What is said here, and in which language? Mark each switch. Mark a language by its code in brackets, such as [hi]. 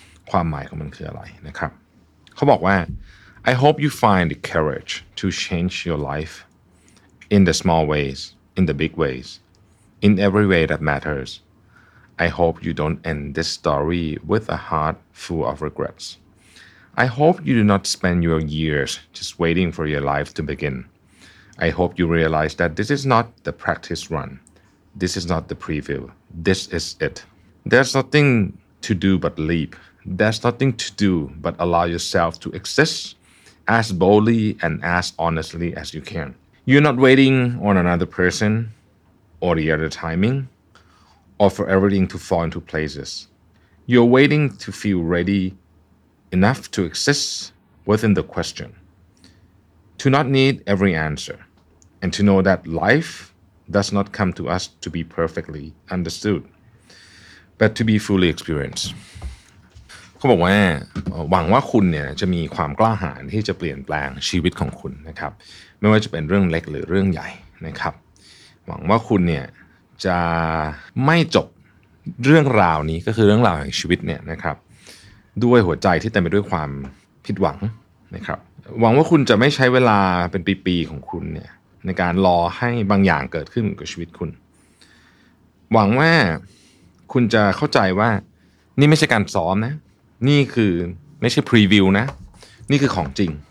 [th] ความหมายของมันคืออะไรนะครับเขาบอกว่า [en] I hope you find the courage to change your life in the small ways in the big ways in every way that matters I hope you don't end this story with a heart full of regrets I hope you do not spend your years just waiting for your life to begin I hope you realize that this is not the practice runThis is not the preview. This is it. There's nothing to do but leap. There's nothing to do but allow yourself to exist as boldly and as honestly as you can. You're not waiting on another person or the other timing or for everything to fall into places. You're waiting to feel ready enough to exist within the question. To not need every answer and to know that lifeDoes not come to us to be perfectly understood, but to be fully experienced. [th] เขาบอกว่าหวังว่าคุณเนี่ยจะมีความกล้าหาญที่จะเปลี่ยนแปลงชีวิตของคุณนะครับไม่ว่าจะเป็นเรื่องเล็กหรือเรื่องใหญ่นะครับหวังว่าคุณเนี่ยจะ ไม่จบเรื่องราวนี้ก็คือเรื่องราวแห่งชีวิตเนี่ยนะครับด้วยหัวใจที่เต็มไปด้วยความผิดหวังนะครับหวังว่าคุณจะไม่ใช้เวลาเป็นปีๆของคุณเนี่ยในการรอให้บางอย่างเกิดขึ้นกับชีวิตคุณหวังว่าคุณจะเข้าใจว่านี่ไม่ใช่การซ้อมนะนี่คือไม่ใช่พรีวิวนะนี่คือของจริง